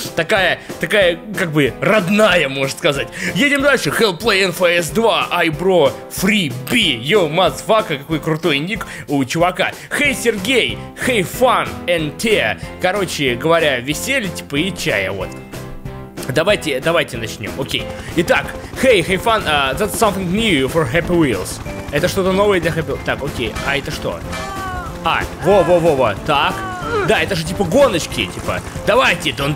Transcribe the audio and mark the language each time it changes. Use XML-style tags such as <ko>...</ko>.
<ru>Такая, как бы, родная, можно сказать. Едем дальше. Hellplay NFS 2, Айбро, Фриби, Йо, Мазфака, какой крутой ник у чувака. Хей, Сергей, Хей, Фан, НТ. Короче говоря, веселье, типа, и чая, вот. Давайте начнем, окей.</ru> <en>Итак, hey fun, that's something new for Happy Wheels.</en> <ru>Это что-то новое для Happy Wheels. Так, окей, а это что? А, во, так. Да, это же типа гоночки, типа. Давайте.</ru>